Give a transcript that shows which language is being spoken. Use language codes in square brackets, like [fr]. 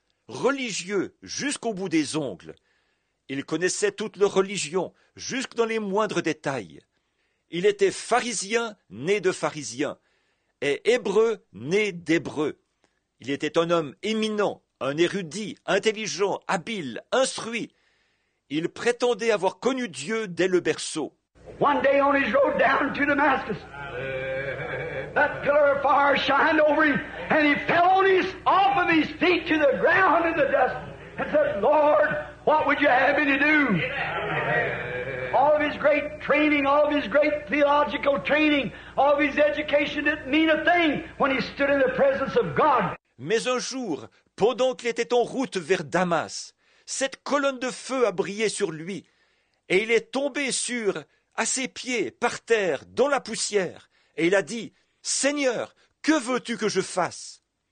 [fr] Religieux jusqu'au bout des ongles. Il connaissait toute leur religion, jusque dans les moindres détails. Il était pharisien, né de pharisien. Et hébreu, né d'hébreu. Il était un homme éminent, un érudit, intelligent, habile, instruit. Il prétendait avoir connu Dieu dès le berceau. [en] One day on his road down to Damascus, that pillar of fire shined over him, and he fell on his, off of his feet to the ground in the dust, and said, Lord, what would you have me to do? All of his great training, all of his great theological training, all of his education didn't mean a thing when he stood in the presence of God. [fr] Mais un jour, pendant qu'il était en route vers Damas, cette colonne de feu a brillé sur lui, et il est tombé sur, à ses pieds, par terre, dans la poussière, et il a dit, Seigneur, que veux-tu que je fasse?